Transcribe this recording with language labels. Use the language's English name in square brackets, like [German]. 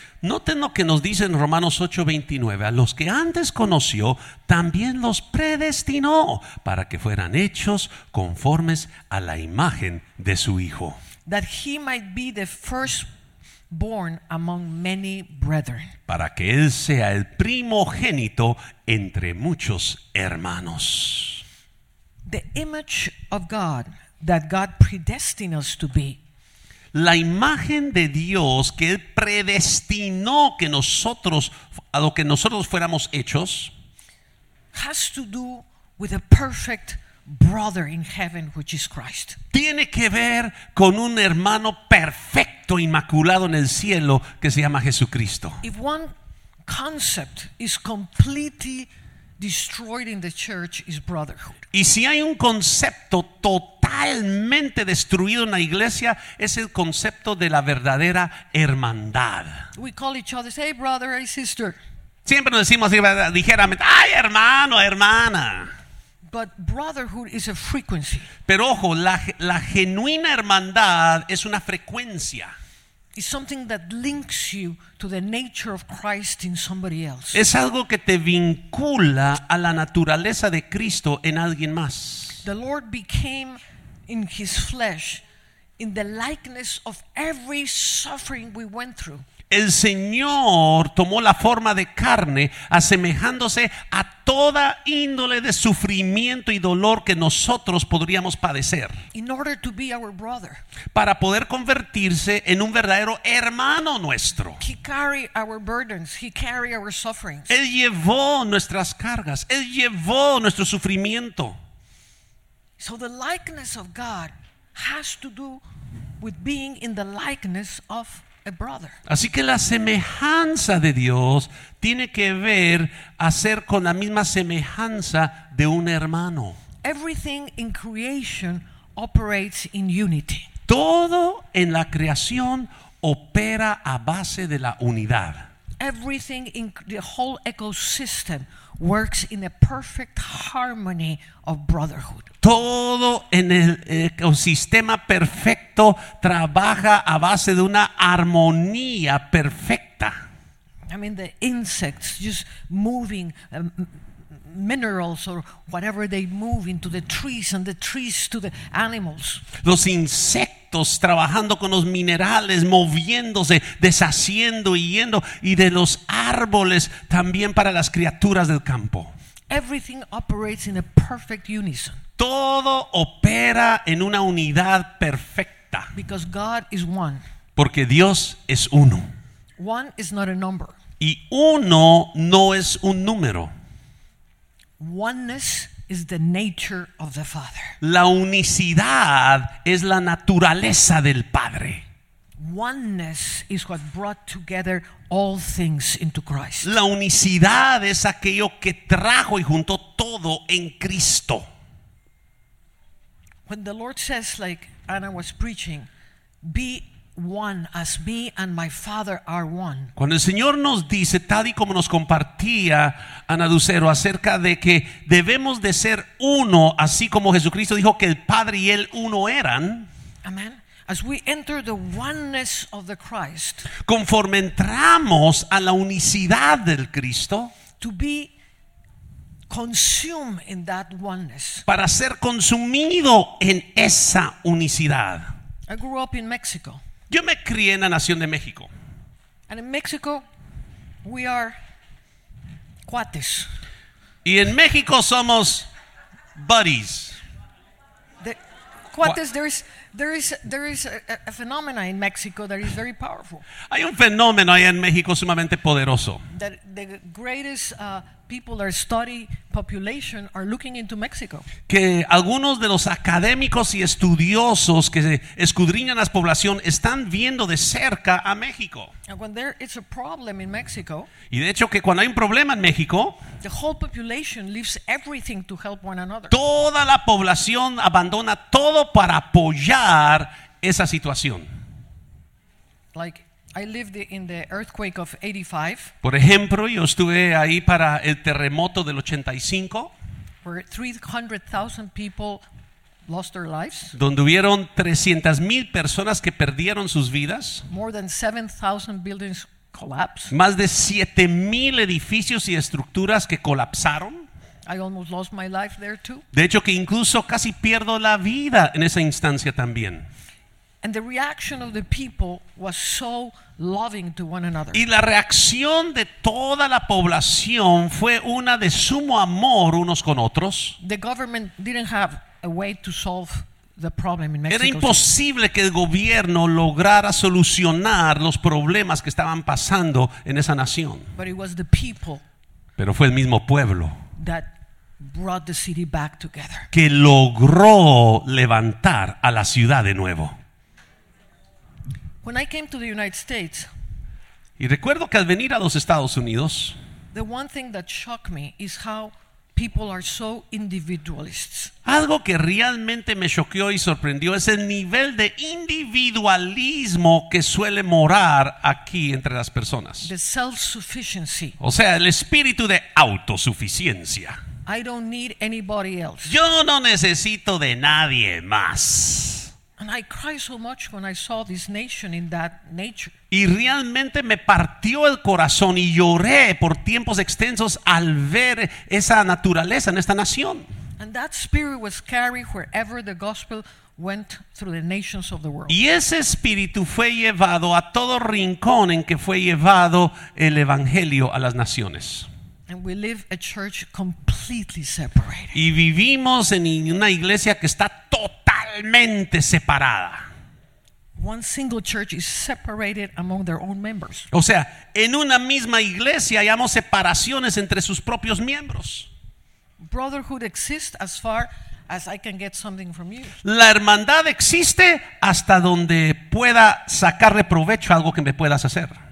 [Spanish] Noten lo que nos dice en Romanos 8:29, a los que antes conoció, también los predestinó para que fueran hechos conformes a la imagen de su hijo. [English] That he might be the firstborn among many brethren. [Spanish] Para que él sea el primogénito entre muchos hermanos. [English] The image of God that God predestined us to be. [Spanish] La imagen de Dios que él predestinó que nosotros, a lo que nosotros fuéramos hechos, [English] has to do with a perfect brother in heaven, which is Christ. [Spanish] Tiene que ver con un hermano perfecto, inmaculado en el cielo, que se llama Jesucristo. [English] If one concept is completely destroyed in the church, is brotherhood. [Spanish] Y si hay un concepto totalmente destruido en la iglesia, es el concepto de la verdadera hermandad. [English] We call each other, hey brother, hey sister. [Spanish] Siempre nos decimos ligeramente, ay hermano, hermana. [English] But brotherhood is a frequency. [Spanish] Pero ojo, la genuina hermandad es una frecuencia. [English] Is something that links you to the nature of Christ in somebody else. [Spanish] Es algo que te vincula a la naturaleza de Cristo en alguien más. [English] The Lord became in his flesh in the likeness of every suffering we went through. [Spanish] El Señor tomó la forma de carne, asemejándose a toda índole de sufrimiento y dolor que nosotros podríamos padecer. [English] In order to be our brother. [Spanish] Para poder convertirse en un verdadero hermano nuestro. [English] He carried our burdens, he carried our sufferings. [Spanish] Él llevó nuestras cargas, él llevó nuestro sufrimiento. [English] So the likeness of God has to do with being in the likeness of a brother. [Spanish] Así que la semejanza de Dios tiene que ver hacer con la misma semejanza de un hermano. [English] Everything in creation operates in unity. [Spanish] Todo en la creación opera a base de la unidad. [English] Everything in the whole ecosystem works in a perfect harmony of brotherhood. [Spanish] Todo en el ecosistema perfecto trabaja a base de una armonía perfecta. [English] I mean, the insects just moving minerals or whatever they move into the trees and the trees to the animals. [Spanish] Los insectos trabajando con los minerales, moviéndose, deshaciendo y yendo, y de los árboles también para las criaturas del campo. [English] Everything operates in a perfect unison. [Spanish] Todo opera en una unidad perfecta. [English] Because God is one. [Spanish] Porque Dios es uno. [English] One is not a number. [Spanish] Y uno no es un número. [English] Oneness is the nature of the Father. [Spanish] La unicidad es la naturaleza del Padre. [English] Oneness is what brought together all things into Christ. [Spanish] La unicidad es aquello que trajo y juntó todo en Cristo. [English] When the Lord says, like Anna was preaching, be one as me and my Father are one. [Spanish] Cuando el Señor nos dice, tal y como nos compartía Ana Lucero, acerca de que debemos de ser uno, así como Jesucristo dijo que el Padre y Él uno eran. Amen. [English] As we enter the oneness of the Christ, [Spanish] conforme entramos a la unicidad del Cristo, [English] to be consumed in that oneness. [Spanish] Para ser consumido en esa unicidad. [English] I grew up in Mexico. [Spanish] Yo me crié en la Nación de México. [English] And in Mexico, we are cuates. [Spanish] Y en México somos buddies. [English] Cuates, there is a phenomenon in Mexico that is very powerful. [Spanish] Hay un fenómeno ahí en México sumamente poderoso. [English] That the greatest people or study population are looking into Mexico. [Spanish] Que algunos de los académicos y estudiosos que escudriñan las poblaciones están viendo de cerca a México. [English] And when there is a problem in Mexico, [Spanish] y de hecho que cuando hay un problema en México, [English] the whole population leaves everything to help one another. [Spanish] Toda la población abandona todo para apoyar esa situación. [English] Like, I lived in the earthquake of 85. [Spanish] Por ejemplo, yo estuve ahí para el terremoto del 85. [English] Where 300,000 people lost their lives. [Spanish] Donde hubieron 300,000 personas que perdieron sus vidas. [English] More than 7,000 buildings collapsed. [Spanish] Más de 7,000 edificios y estructuras que colapsaron. [English] I almost lost my life there too. [Spanish] De hecho, que incluso casi pierdo la vida en esa instancia también. [English] And the reaction of the people was so loving to one another. [Spanish] Y la reacción de toda la población fue una de sumo amor unos con otros. [English] The government didn't have a way to solve the problem in Mexico. [Spanish] Era imposible que el gobierno lograra solucionar los problemas que estaban pasando en esa nación. [English] But it was the people. [Spanish] Pero fue el mismo pueblo. [English] That brought the city back together. [Spanish] Que logró levantar a la ciudad de nuevo. [English] When I came to the United States, [Spanish] y recuerdo que al venir a los Estados Unidos, [English] the one thing that shocked me is how people are so individualists. [Spanish] Algo que realmente me choqueó y sorprendió es el nivel de individualismo que suele morar aquí entre las personas. [English] The self-sufficiency. [Spanish] O sea, el espíritu de autosuficiencia. [English] I don't need anybody else. [Spanish] Yo no necesito de nadie más. [English] And I cried so much when I saw this nation in that nature. [Spanish] Y realmente me partió el corazón y lloré por tiempos extensos al ver esa naturaleza en esta nación. [English] And that spirit was carried wherever the gospel went through the nations of the world. [Spanish] Y ese espíritu fue llevado a todo rincón en que fue llevado el evangelio a las naciones. [English] And we live a church completely separated. [Spanish] Y vivimos en una iglesia que está totalmente separada. [English] One single church is separated among their own members. [Spanish] O sea, en una misma iglesia hayamos separaciones entre sus propios miembros. [English] Brotherhood exists as far as I can get something from you. [Spanish] La hermandad existe hasta donde pueda sacarle provecho a algo que me puedas hacer.